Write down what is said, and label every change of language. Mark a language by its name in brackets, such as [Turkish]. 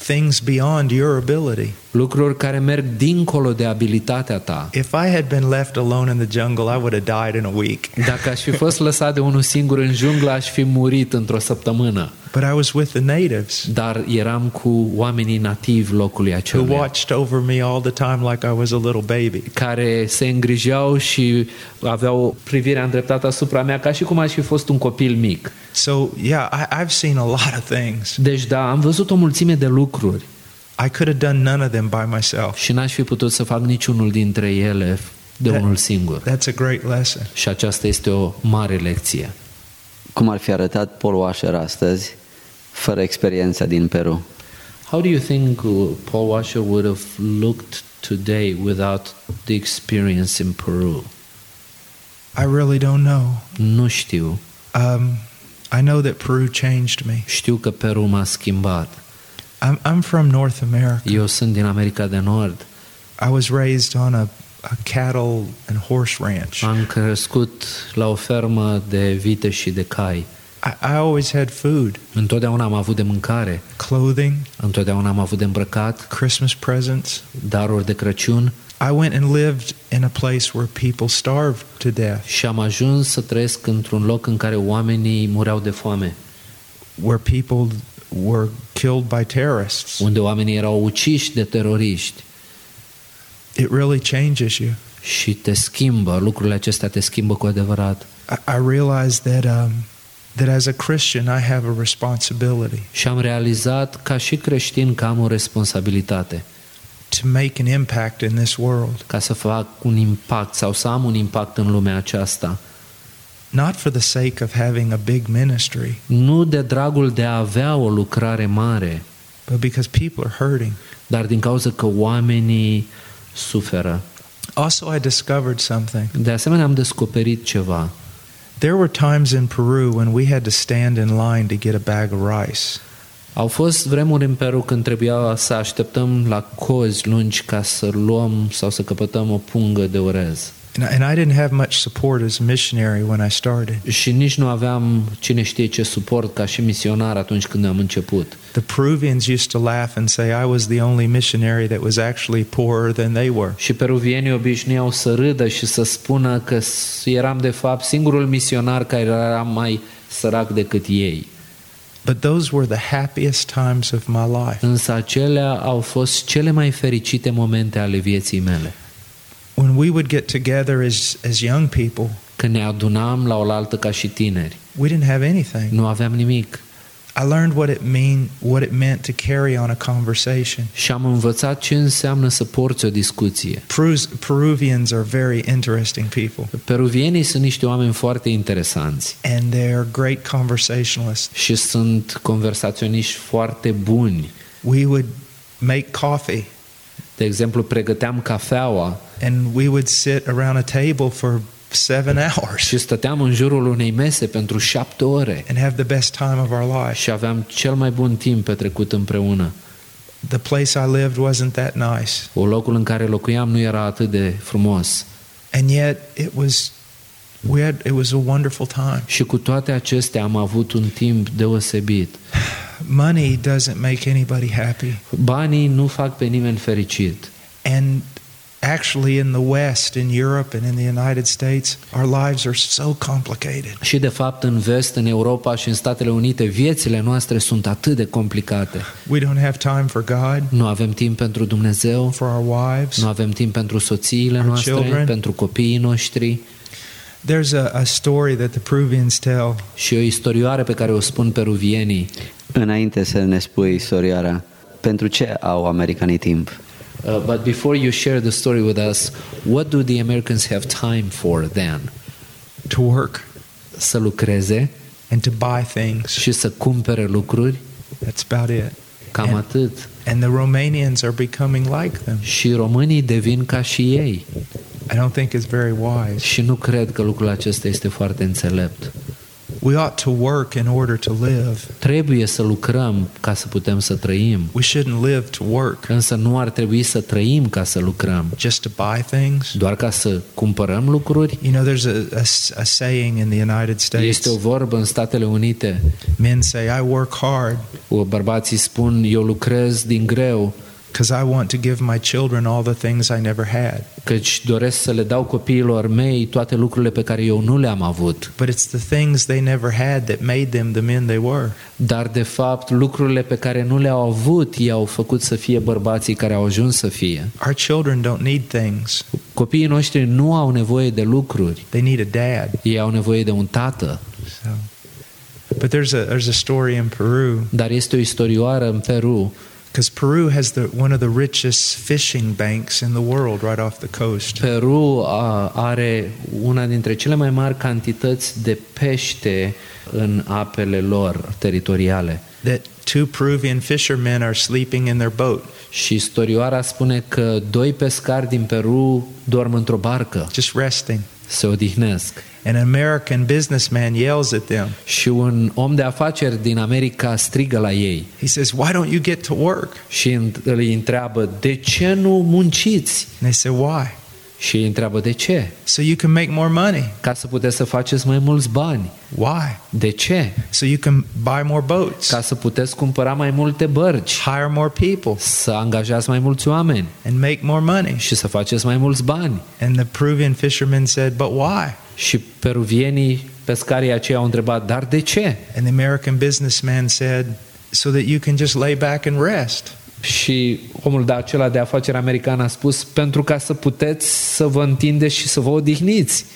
[English] Things beyond your ability. [Romanian] Lucruri care merg dincolo de abilitatea ta. [English] If I had been left alone in the jungle, I would have died in a week. [Romanian] Dacă aș fi fost lăsat de unul singur în junglă, aș fi murit într-o săptămână. [English] But I was with the natives. [Romanian] Dar eram cu oamenii nativi locului acelui. [English] Who watched over me all the time like I was a little baby. [Romanian] Care se îngrijeau și aveau privirea îndreptată asupra mea ca și cum aș fi fost un copil mic. [English] So, yeah, I've seen a lot of things. [Romanian] Deci da, am văzut o mulțime de lucruri. [English] I could have done none of them by myself. [Romanian] Și n-aș fi putut să fac niciunul dintre ele de unul singur. [English] That's a great lesson. [Romanian] Și aceasta este o mare lecție. Cum ar fi arătat Paul Washer astăzi fără experiența din Peru? [English] How do you think Paul Washer would have looked today without the experience in Peru? I really don't know. [Romanian] Nu știu. [English] I know that Peru changed me. [Romanian] Știu că Peru m-a schimbat. [English] I'm from North America. [Romanian] Eu sunt din America de Nord. [English] I was raised on a cattle and horse ranch. [Romanian] Am crescut la o fermă de vite și de cai. [English] I always had food. [Romanian] Întotdeauna am avut de mâncare. [English] Clothing. [Romanian] Întotdeauna am avut de îmbrăcat. [English] Christmas presents. [Romanian] Daruri de Crăciun. [English] I went and lived in a place where people starved to death. [Romanian] Și am ajuns să trăiesc într-un loc în care oamenii mureau de foame. [English] Where people were killed by terrorists. [Romanian] Unde oamenii erau uciși de teroriști. [English] It really changes you. [Romanian] Și te schimbă, lucrurile acestea te schimbă cu adevărat. [English] I realized that that as a Christian I have a responsibility. [Romanian] Și am realizat ca și creștin că am o responsabilitate. [English] To make an impact in this world. [Romanian] Ca să fac un impact sau să am un impact în lumea aceasta. [English] Not for the sake of having a big ministry. [Romanian] Nu de dragul de a avea o lucrare mare. [English] But because people are hurting. [Romanian] Dar din cauza că oamenii suferă. [English] Also, I discovered something. [Romanian] De asemenea, am descoperit ceva. [English] There were times in Peru when we had to stand in line to get a bag of rice. [Romanian] Au fost vremuri în Peru când trebuia să așteptăm la cozi lungi ca să luăm sau să căpătăm o pungă de orez. [English] And I didn't have much support as a missionary when I started. [Romanian] Și nici nu aveam cine știe ce suport ca și misionar atunci când am început. [English] The Peruvians used to laugh and say I was the only missionary that was actually poorer than they were. [Romanian] Și peruvienii obișnuiau să râdă și să spună că eram de fapt singurul misionar care era mai sărac decât ei. [English] But those were the happiest times of my life. [Romanian] Însă acelea au fost cele mai fericite momente ale vieții mele. [English] When we would get together as young people, [Romanian] când ne adunam la olaltă ca și tineri, [English] we didn't have anything. [Romanian] Nu aveam nimic. [English] I learned what it meant to carry on a conversation. [Romanian] Și am învățat ce înseamnă să porți o discuție. [English] Peruvians are very interesting people. [Romanian] Peruvienii sunt niște oameni foarte interesanți. [English] And they're great conversationalists. [Romanian] Și sunt conversaționiști foarte buni. [English] We would make coffee. [Romanian] De exemplu, pregăteam cafeaua. [English] And we would sit around a table for 7 hours. [Romanian] Și stăteam în jurul unei mese pentru 7 ore. [English] And have the best time of our life. [Romanian] Și aveam cel mai bun timp petrecut împreună. [English] The place I lived wasn't that nice. [Romanian] Locul în care locuiam nu era atât de frumos. [English] And yet it was a wonderful time. [Romanian] Și cu toate acestea am avut un timp deosebit. [English] Money doesn't make anybody happy. [Romanian] Banii nu fac pe nimeni fericit. [English] And actually in the West, in Europe and in the United States, our lives are so complicated. [Romanian] Și de fapt în vest, în Europa și în Statele Unite, viețile noastre sunt atât de complicate. [English] We don't have time for God. [Romanian] Nu avem timp pentru Dumnezeu. [English] For our wives. [Romanian] Nu avem timp pentru soțiile noastre, pentru copiii noștri. [English] There's a story that the Peruvians tell. [Romanian] Și o istorioare pe care o spun peruvienii. Înainte să ne spui istoriarea, pentru ce au americanii timp? [English] But before you share the story with us, what do the Americans have time for then? To work. [Romanian] Să lucreze. [English] And to buy things. [Romanian] Și să cumpere lucruri. [English] That's about it. [Romanian] Cam atât. [English] And the Romanians are becoming like them. [Romanian] Și românii devin ca și ei. [English] I don't think it's very wise. [Romanian] Și nu cred că lucrul acesta este foarte înțelept. [English] We ought to work in order to live. [Romanian] Trebuie să lucrăm ca să putem să trăim. [English] We shouldn't live to work. [Romanian] Însă nu ar trebui să trăim ca să lucrăm. [English] Just to buy things. [Romanian] Doar ca să cumpărăm lucruri. [English] You know, there's a saying in the United States. [Romanian] Este o vorbă în Statele Unite. [English] Men say I work hard. [Romanian] Bărbații spun eu lucrez din greu. [English] Because I want to give my children all the things I never had. [Romanian] Căci doresc să le dau copiilor mei toate lucrurile pe care eu nu le-am avut. [English] But it's the things they never had that made them the men they were. [Romanian] Dar de fapt lucrurile pe care nu le-au avut i-au făcut să fie bărbații care au ajuns să fie. [English] Our children don't need things. [Romanian] Copiii noștri nu au nevoie de lucruri. [English] They need a dad. [Romanian] Ei au nevoie de un tată. [English] So. But there's a story in Peru. [Romanian] Dar este o istorioară în Peru. [English] Because Peru has one of the richest fishing banks in the world right off the coast. [Romanian] Peru are una dintre cele mai mari cantități de pește în apele lor teritoriale. [English] That two Peruvian fishermen are sleeping in their boat. [Romanian] Și istorioara spune că doi pescari din Peru dorm într-o barcă. [English] Just resting. [Romanian] Se odihnesc. [English] An American businessman yells at them. [Romanian] Și un om de afaceri din America strigă la ei. [English] He says, "Why don't you get to work?" [Romanian] Și îi întreabă, "De ce nu munciți?" [English] And they say, "Why?" [Romanian] Și îi întreabă, "De ce?" [English] "So you can make more money." [Romanian] Ca să puteți să faceți mai mulți bani. [English] "Why?" [Romanian] "De ce?" [English] "So you can buy more boats." [Romanian] Ca să puteți cumpăra mai multe bărci. [English] "Hire more people." [Romanian] Să angajați mai mulți oameni. [English] "And make more money." [Romanian] Și să faceți mai mulți bani. [English] And the Peruvian fisherman said, "But why?" [Romanian] Și peruvienii pescarii aceia au întrebat, dar de ce? [English] And the American businessman said, "So that you can just lay back and rest." [Romanian] Și omul de acela de afaceri american a spus, pentru ca să puteți să vă întindeți și să vă odihniți.